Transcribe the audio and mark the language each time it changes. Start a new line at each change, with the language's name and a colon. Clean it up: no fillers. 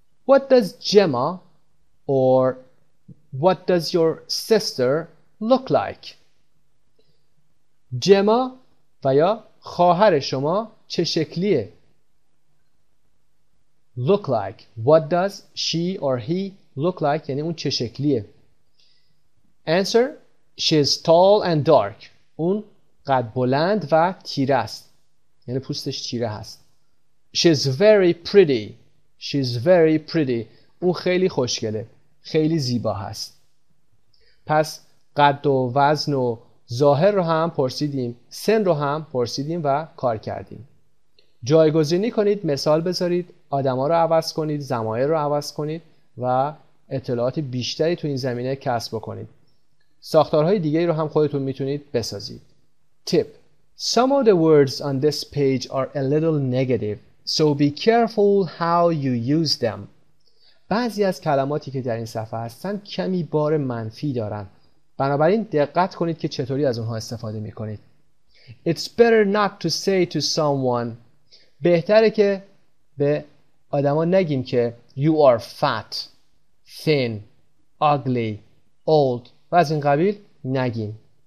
English: What does Gemma or what does your sister look like?
Persian: Gemma و یا خواهر شما چه شکلیه؟
English: Look like. What does she or he look like?
Persian: یعنی اون چه شکلیه؟
English: Answer. She is tall and dark.
Persian: اون قد بلند و تیره است. یعنی پوستش تیره هست.
English: She is very pretty. She is very pretty.
Persian: اون خیلی خوشگله. خیلی زیبا هست. پس قد و وزن و ظاهر رو هم پرسیدیم. سن رو هم پرسیدیم و کار کردیم. جایگزینی کنید. مثال بذارید. آدم ها رو عوض کنید. زمایر رو عوض کنید. و اطلاعات بیشتری تو این زمینه کسب بکنید. ساختارهای دیگه رو هم خودتون میتونید بسازید.
English: Tip. Some of the words on this page are a little negative. So be careful how you use them.
Persian: بعضی از کلماتی که در این صفحه هستن کمی بار منفی دارن. بنابراین دقت کنید که چطوری از اونها استفاده میکنید.
English: It's better not to say to someone.
Persian: بهتره که به آدما نگیم که
English: you are fat, thin, ugly, old
Persian: و از این قبیل نگیم.